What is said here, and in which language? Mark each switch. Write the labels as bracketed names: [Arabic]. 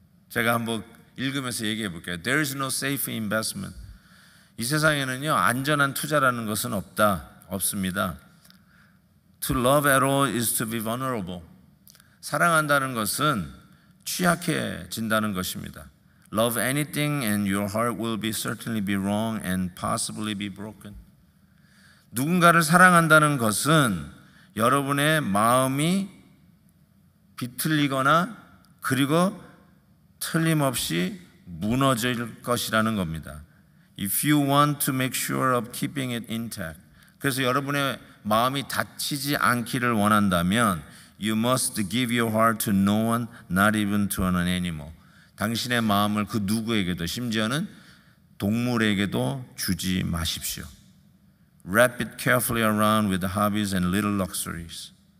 [Korean] 제가 한번 읽으면서 얘기해 볼게요. [English] There is no safe investment. [Korean] 이 세상에는요 안전한 투자라는 것은 없다. 없습니다. [English] To love at all is to be vulnerable. [Korean] 사랑한다는 것은 취약해진다는 것입니다. [English] Love anything and your heart will be certainly be wrong and possibly be broken. [Korean] 누군가를 사랑한다는 것은 여러분의 마음이 비틀리거나 그리고 틀림없이 무너질 것이라는 겁니다. [English] If you want to make sure of keeping it intact. [Korean] 그래서 여러분의 마음이 다치지 않기를 원한다면 [English] you must give your heart to no one, not even to an animal. [Korean] 당신의 마음을 그 누구에게도, 심지어는 동물에게도 주지 마십시오. [English] Wrap it carefully around with hobbies and little luxuries.